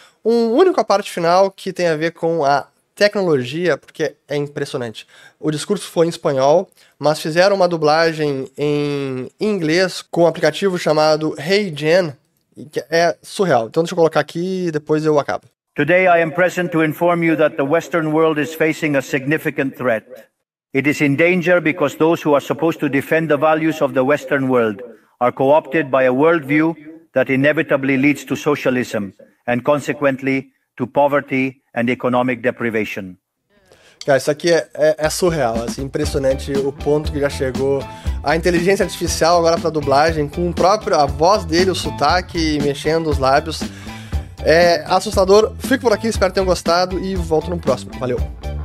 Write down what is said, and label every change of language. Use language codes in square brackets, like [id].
[pt] Um único à parte final que tem a ver com a tecnologia, porque é impressionante. O discurso foi em espanhol, mas fizeram uma dublagem em inglês com um aplicativo chamado HeyGen, que é surreal. Então deixa eu colocar aqui e depois eu acabo. [en] Today I am present to inform you that the Western world is facing a significant threat. It is in danger because those who are supposed to defend the values of the Western world are co-opted by a worldview that inevitably leads to socialism and consequently to poverty and economic deprivation. [pt] Cara, isso aqui é surreal, assim, impressionante o ponto que já chegou. A inteligência artificial agora para dublagem, com o próprio, a voz dele, o sotaque, mexendo os lábios. É assustador. Fico por aqui, espero que tenham gostado e volto no próximo. Valeu!